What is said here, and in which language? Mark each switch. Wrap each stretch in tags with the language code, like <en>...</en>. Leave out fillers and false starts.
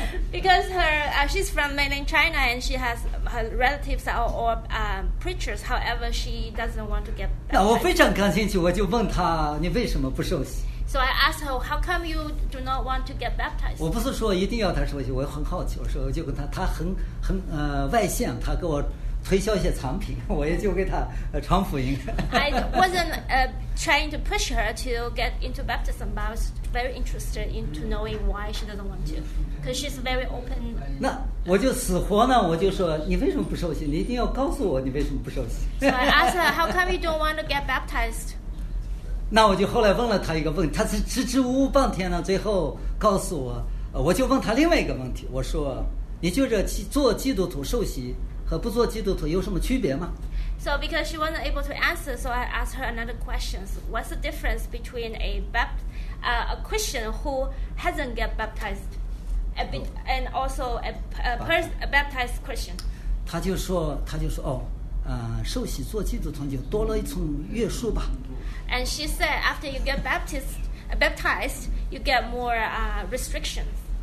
<en>Because she's from mainland China and she has her relatives are all preachers. However, she doesn't want to get.</en> <zh>那我非常感兴趣，我就问她你为什么不受洗。</zh> <en>So I asked her, how come you do not want to get baptized?</en> <zh>我不是说一定要她受洗，我很好奇，我说我就跟她，她很外向，她给我。推销一些产品，我也就给他传福音。</zh> <en>I wasn't trying to push her to get into baptism, but I was very interested in to knowing why she doesn't want to, because she's very open.</en> <zh>那我就死活呢，我就说你为什么不受洗？你一定要告诉我你为什么不受洗。</zh> <en>So I asked her, how come you don't want to get baptized?</en> <zh>那我就后来问了他一个问题，他是支支吾吾半天呢，最后告诉我，我就问他另外一个问题，我说你就这做基督徒受洗。和不做基督徒有什么区别吗</zh> <en>？So because she wasn't able to answer, so I asked her another question. What's the difference between a Christian who hasn't get baptized, and also a baptized Christian?</en> <zh>他就说受洗做基督徒就多了一层约束吧。</zh> <en>And she said after you get baptized, you get more restrictions.</en>